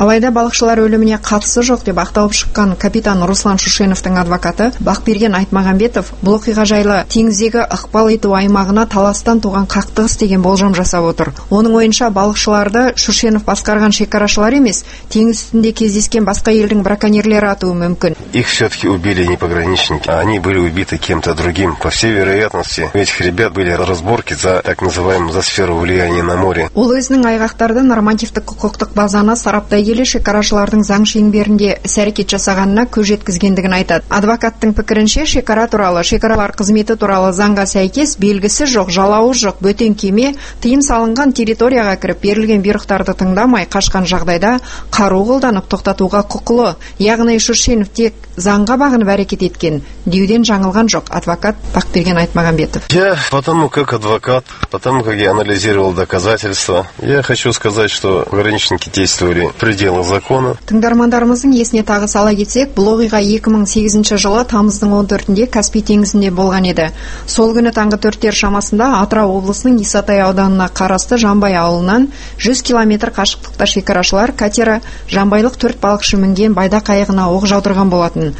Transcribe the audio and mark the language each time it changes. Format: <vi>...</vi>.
<kk>Алайда балықшылар өліміне қатысы жоқ деп ақталып шыққан капитан Руслан Шушеновтың адвокаты Бақберген Айтмағамбетов бұл оқиға жайлы теңіздегі ықпал ету аймағына таластан туған қақтығыс деген болжам жасап отыр. Оның ойынша балықшыларды Шушенов басқарған шекарашылар емес, теңіз үстінде кездескен басқа елдің браконьерлері атуы мүмкін.</kk> <ru>Их все-таки убили не пограничники, они были убиты кем-то другим. По всей вероятности, у этих ребят были разборки за так называемую за сферу влияния на море.</ru> <kk>Ол өзінің айғақтарды нормативтік құқықтық базаны сараптай келе шекарашылардың заң шеңберінде әрекет жасағанына көз жеткізгендігін айтады. Адвокаттың пікірінше, шекара туралы, шекаралар қызметі туралы заңға сәйкес белгісі жоқ, жалауы жоқ бөтен кеме тыйым салынған территорияға кіріп берілген бұйрықтарды тыңдамай қашқан жағдайда қару қолданып тоқтатуға құқылы. Яғни Шушенов тек заңға бағынып әрекет еткен деуден жаңылған жоқ, адвокат Бақберген Айтмағамбетов.</kk> <ru>Я потому как адвокат, потому как я анализировал доказательства, я хочу сказать, что пограничники действовали в пределах закона.</ru> <kk>Тыңдармандарымыздың есіне тағы сала кетсек, бұл оқиға 2008 жылы тамыздың 14-де Каспий теңізінде болған еді. Сол күні таңғы 4-тер шамасында Атырау облысының Исатай ауданына қарасты Жанбай ауылынан 100 км қашықтықта шекарашылар катері жанбайлық 4 балықшы мінген байда қайығына оқ жаудырған болатын.</kk>